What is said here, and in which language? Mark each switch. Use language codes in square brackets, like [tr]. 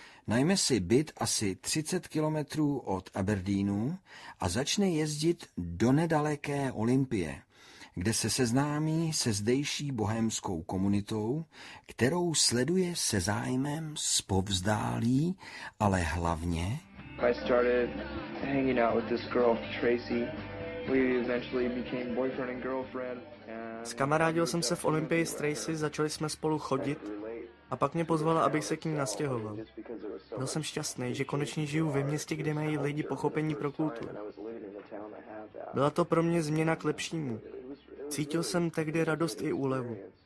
[cs] Najme si byt asi 30 kilometrů od Aberdeenu a začne jezdit do nedaleké Olympie, kde se seznámí se zdejší bohemskou komunitou, kterou sleduje se zájmem zpovzdálí, ale hlavně... [en] I started hanging out with this girl, Tracy. We eventually became boyfriend and girlfriend. [cs] Skamarádil jsem se v Olympii s Tracy, začali jsme spolu chodit a pak mě pozvala, abych se k ní nastěhoval. Byl jsem šťastný, že konečně žiju ve městě, kde mají lidi pochopení pro kulturu. Byla to pro mě změna k lepšímu. Cítil jsem tehdy radost i úlevu.